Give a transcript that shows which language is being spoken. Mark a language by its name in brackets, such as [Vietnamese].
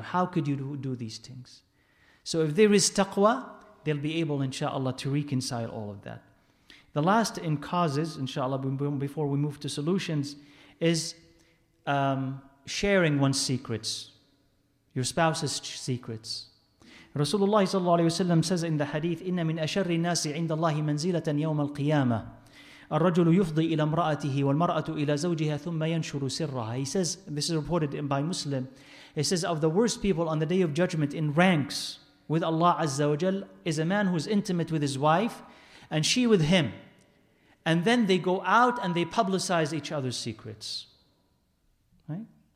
[English] How could you do these things? So if there is taqwa, they'll be able, inshallah, to reconcile all of that. The last in causes, inshallah, before we move to solutions, is sharing one's secrets, your spouse's secrets. Rasulullah sallallahu alayhi wa sallam says in the hadith, [Arabic] إِنَّ مِنْ أَشَرِّ النَّاسِ عِنْدَ اللَّهِ مَنْزِلَةً يَوْمَ الْقِيَامَةِ الرَّجُلُ يُفْضِي إِلَى امْرَأَتِهِ وَالْمَرْأَةُ إِلَى زَوْجِهَا ثُمَّ يَنْشُرُ سِرَّهَا. [English] He says, this is reported by Muslim, he says, of the worst people on the Day of Judgment in ranks with Allah Azza wa Jal is a man who is intimate with his wife and she with him. And then they go out and they publicize each other's secrets. Right?